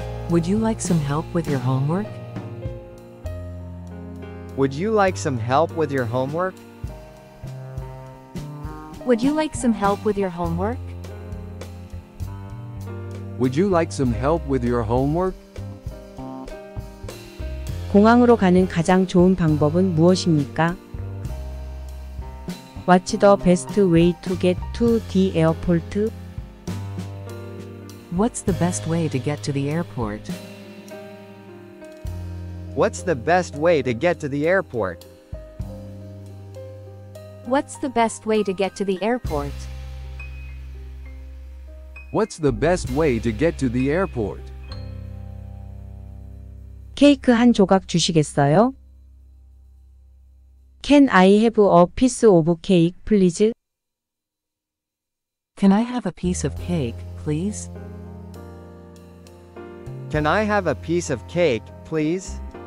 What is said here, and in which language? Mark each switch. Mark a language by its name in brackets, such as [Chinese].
[English] Would you like some help with your homework? Would you like some help with your homework? Would you like some help with your homework? Would you like some help with your homework? [Korean] 공항으로 가는 가장 좋은 방법은 무엇입니까? [English] What's the best way to get to the airport? What's the best way to get to the airport? What's the best way to get to the airport? What's the best way to get to the airport? What's the best way to get to the airport? [Korean] 케이크 한 조각 주시겠어요? [English] Can I have a piece of cake, please? Can I have a piece of cake, please? Can I have a piece of cake, please?